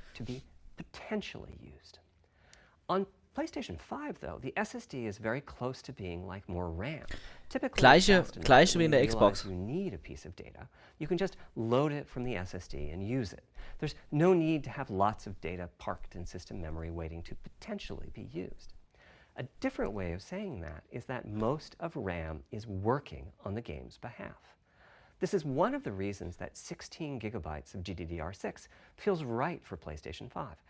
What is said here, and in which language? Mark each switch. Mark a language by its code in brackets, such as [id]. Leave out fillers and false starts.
[en] to be potentially used. On PlayStation 5 though, the SSD is very close to being like more RAM. Typically, [de] gleiche wie in der Xbox. [en] You need a piece of data. You can just load it from the SSD and use it. There's no need to have lots of data parked in system memory waiting to potentially be used. A different way of saying that is that most of RAM is working on the game's behalf. This is one of the reasons that 16 gigabytes of GDDR6 feels right for PlayStation 5.